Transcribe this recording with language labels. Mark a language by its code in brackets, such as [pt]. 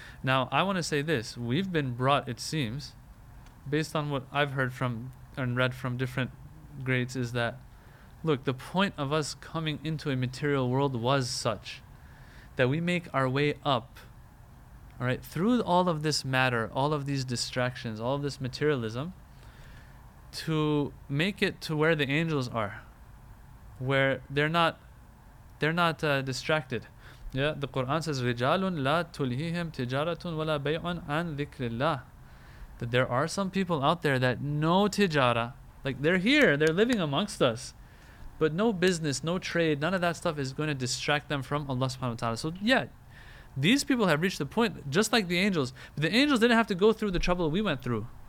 [en] Now, I want to say this. We've been brought, it seems, based on what I've heard from and read from different greats, is that, look, the point of us coming into a material world was such that we make our way up, all right, through all of this matter, all of these distractions, all of this materialism, to make it to where the angels are, where they're not distracted. [ar] Yeah, the Quran says رِجَالٌ لَا تُلْهِهِمْ تِجَارَةٌ وَلَا بَيْعٌ عَنْ ذِكْرِ اللَّهِ. [en] That there are some people out there that no tijara, like they're here, they're living amongst us, but no business, no trade, none of that stuff is going to distract them from Allah subhanahu wa ta'ala. So yeah, these people have reached the point just like the angels, but the angels didn't have to go through the trouble we went through.